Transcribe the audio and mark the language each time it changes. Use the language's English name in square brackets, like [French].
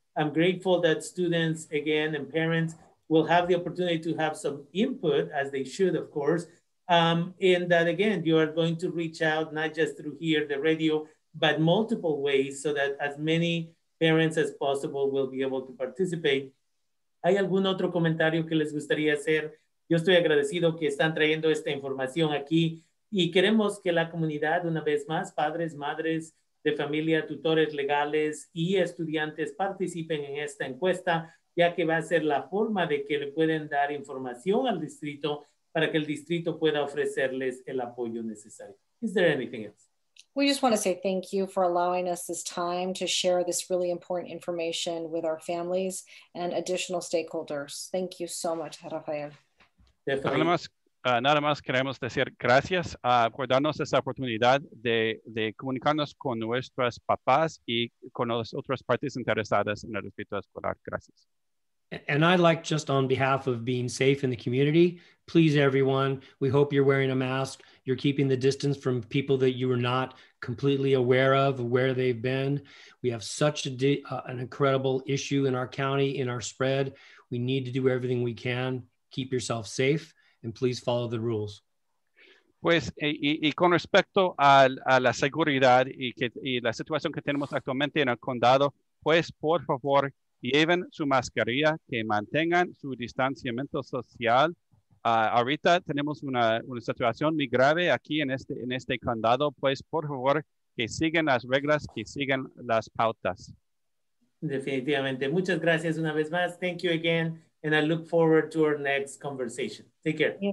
[English] I'm grateful that students, again, and parents will have the opportunity to have some input, as they should, of course, and that, again, you are going to reach out, not just through here, the radio, but multiple ways so that as many parents as possible will be able to participate. [Spanish] ¿Hay algún otro comentario que les gustaría hacer? Yo estoy agradecido que están trayendo esta información aquí y queremos que la comunidad, una vez más, padres, madres de familia, tutores legales y estudiantes participen en esta encuesta, ya que va a ser la forma de que le pueden dar información al distrito para que el distrito pueda ofrecerles el apoyo necesario. [English] Is there anything else? We just want to say thank you for allowing us this time to share this really important information with our families and additional stakeholders. Thank you so much, Rafael. [Spanish] Nada más queremos decir gracias por darnos esa oportunidad de comunicarnos con nuestros papás y con las otras partes interesadas en el distrito escolar. Gracias. [English] And I'd like, just on behalf of being safe in the community, please, everyone, we hope you're wearing a mask, you're keeping the distance from people that you are not completely aware of where they've been. We have such an incredible issue in our county, in our spread. We need to do everything we can. Keep yourself safe and please follow the rules. [Spanish] Pues, y con respecto a la seguridad y la situación que tenemos actualmente en el condado, pues, por favor, lleven su mascarilla, que mantengan su distanciamiento social. Ahorita tenemos una situación muy grave aquí en este condado, pues, por favor, que sigan las reglas, que sigan las pautas. Definitivamente. Muchas gracias una vez más. [English] Thank you again. And I look forward to our next conversation. Take care.